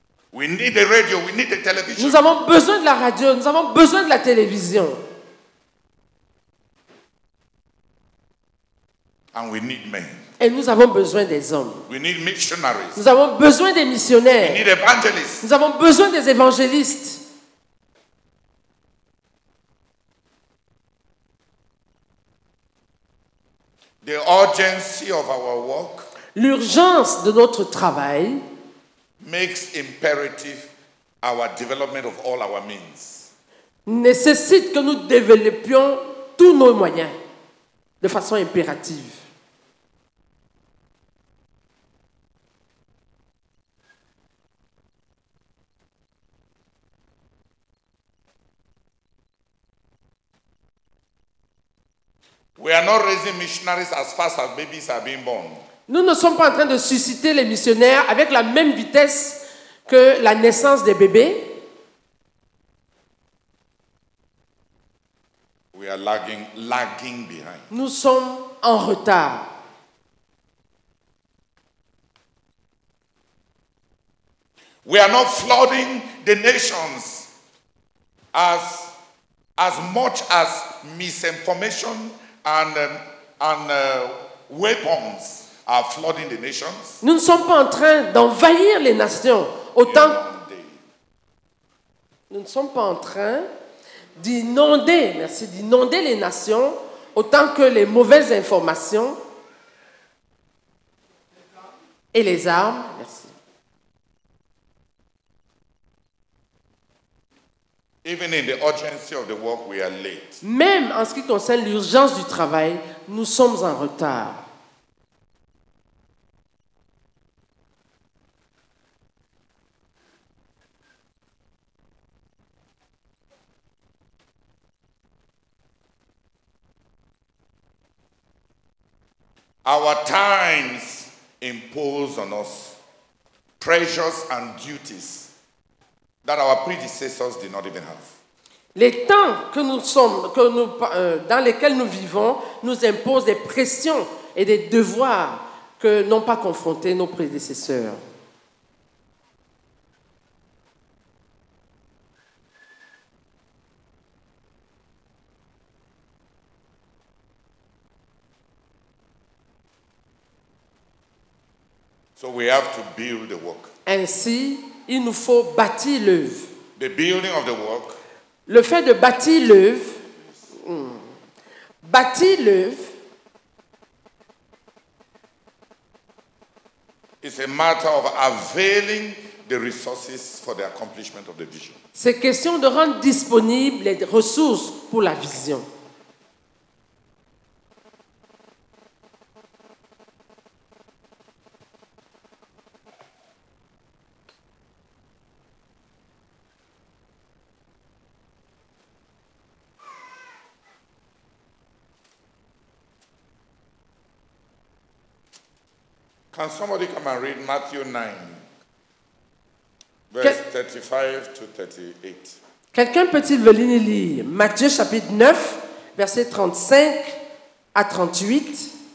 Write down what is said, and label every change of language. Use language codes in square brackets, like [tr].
[en] We need the radio, we need the television. [fr] Nous avons besoin de la radio, nous avons besoin de la télévision. [en] And we need men. [fr] Et nous avons besoin des hommes. [en] We need missionaries. [fr] Nous avons besoin des missionnaires. [en] We need evangelists. [fr] Nous avons besoin des évangélistes. [en] The urgency of our work. [fr] L'urgence de notre travail. [en] Makes imperative our development of all our means. [fr] Nécessite que nous développions tous nos moyens de façon impérative. [en] We are not raising missionaries as fast as babies are being born. [fr] Nous ne sommes pas en train de susciter les missionnaires avec la même vitesse que la naissance des bébés. [en] We are lagging behind. [fr] Nous sommes en retard. [en] We We are not flooding the nations as much as misinformation and weapons are flooding the nations. [fr] Nous ne sommes pas en train d'envahir les nations autant. Nous ne sommes pas en train d'inonder, merci, d'inonder les nations autant que les mauvaises informations et les armes. Merci. [en] Even in the urgency of the work, we are late. [fr] Même en ce qui concerne l'urgence du travail, nous sommes en retard. [en] Our times impose on us pressures and duties that our predecessors did not even have. [fr] Les temps que nous sommes, que nous, dans lesquels nous vivons, nous imposent des pressions et des devoirs que n'ont pas confrontés nos prédécesseurs. [en] So we have to build the work. [fr] Ainsi, il nous faut bâtir l'œuvre. [en] The building of the work. [fr] Le fait de bâtir l'œuvre. Yes. Bâtir l'œuvre. [en] It's a matter of availing the resources for the accomplishment of the vision. [fr] C'est question de rendre disponibles les ressources pour la vision. [en] Can somebody come and read Matthew 9, verse 35 to 38? [fr] Quelqu'un peut-il venir lire Matthieu chapitre 9, verset 35 à 38?